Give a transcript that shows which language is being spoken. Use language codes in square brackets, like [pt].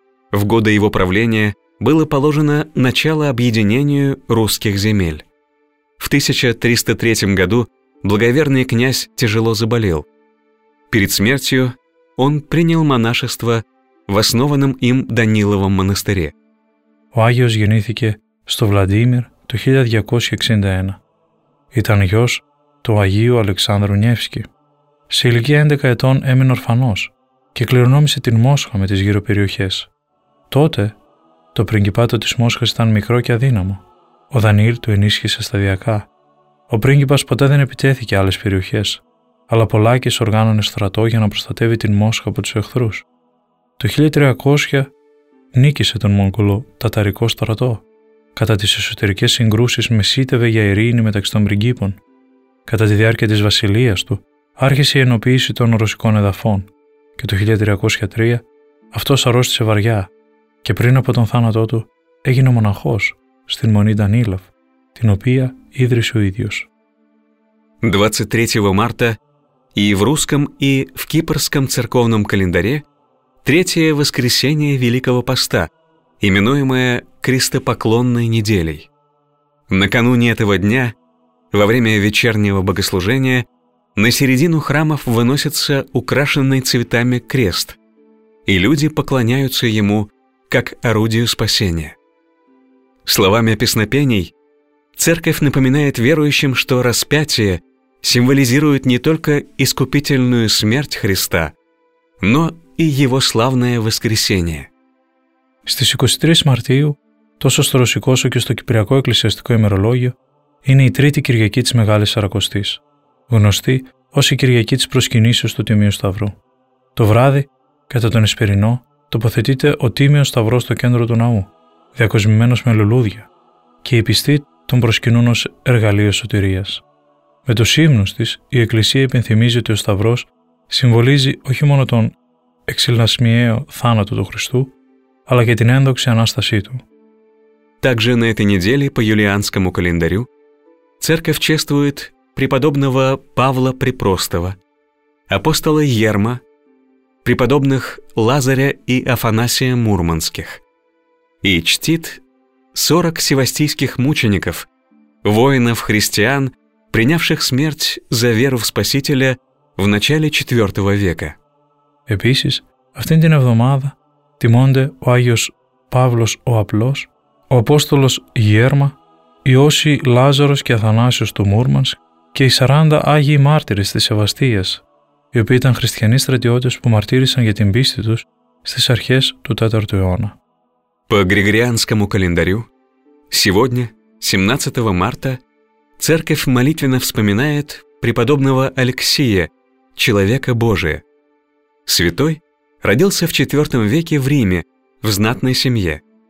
[ru] В годы его правления было положено начало объединению русских земель. В 1303 году благоверный князь тяжело заболел. Перед смертью он принял монашество в основанном им Даниловом монастыре. [el] Ο Άγιος γεννήθηκε στο Βλαντίμιρ το 1261. Ήταν γιος του Αγίου Αλεξάνδρου Νιεύσκη. Σε ηλικία 11 ετών έμεινε ορφανός και κληρονόμησε την Μόσχα με τις γύρω περιοχές. Τότε το πριγκιπάτο της Μόσχας ήταν μικρό και αδύναμο. Ο Δανιήλ του ενίσχυσε σταδιακά. Ο πρίγκιπας ποτέ δεν επιτέθηκε άλλες περιοχές, αλλά Πολάκης οργάνωνε στρατό για να προστατεύει την Μόσχα από τους εχθρούς. Το 1300 νίκησε τον Μογγολό Ταταρικό στρατό. Κατά τις εσωτερικές συγκρούσεις μεσίτευε για ειρήνη μεταξύ των πριγκίπων. Κατά τη διάρκεια της βασιλείας του άρχισε η ενοποίηση των ρωσικών εδαφών και το 1303 αυτός αρρώστησε βαριά και πριν από τον θάνατό του έγινε μοναχός στην Μονή Ντανίλοφ, την οποία ίδρυσε ο ίδιος. [ru] 23 марта и в русском, и в кипрском церковном календаре третье воскресенье Великого Поста, именуемое Крестопоклонной неделей. Накануне этого дня, во время вечернего богослужения, на середину храмов выносится украшенный цветами крест, и люди поклоняются ему как орудию спасения. Словами песнопений церковь напоминает верующим, что распятие символизирует не только искупительную смерть Христа, но и Его славное воскресение. [el] Στις 23 Μαρτίου, τόσο στο ρωσικό όσο και στο κυπριακό εκκλησιαστικό ημερολόγιο, είναι η τρίτη Κυριακή της Μεγάλης Σαρακοστής, γνωστή ως η Κυριακή της Προσκυνήσεως του Τιμίου Σταυρού. Το βράδυ, κατά τον Εσπερινό, τοποθετείται ο Τίμιος Σταυρός στο κέντρο του ναού, διακοσμημένος με λουλούδια, και οι πιστοί τον προσκυνούν ως εργαλείο σωτηρίας. Με τους ύμνους της, η Εκκλησία υπενθυμίζει ότι ο Σταυρός συμβολίζει όχι μόνο τον εξυλασμιαίο θάνατο του Χριστού, αλλά και την ένδοξη Ανάστασή Του. [ru] Также на этой неделе по юлианскому календарю церковь чествует преподобного Павла Препростого, апостола Ерма, преподобных Лазаря и Афанасия Мурманских и чтит 40 севастийских мучеников, воинов-христиан, принявших смерть за веру в Спасителя в начале IV века. [el] Επίσης, αυτήν την εβδομάδα τιμώνται ο Άγιος Παύλος ο Απλός, ο Απόστολος Γέρμα, Ιώση Λάζαρος και Αθανάσιος του Μούρμανς και οι 40 Άγιοι Μάρτυρες της Σεβαστίας, οι οποίοι ήταν χριστιανοί στρατιώτες που μαρτύρησαν για την πίστη τους στις αρχές του 4ου αιώνα. [ru] По Григорианскому календарю, сегодня, 17 марта, церковь молитвенно вспоминает преподобного Алексия, человека Божия. Святой родился в IV веке в Риме, в знатной семье.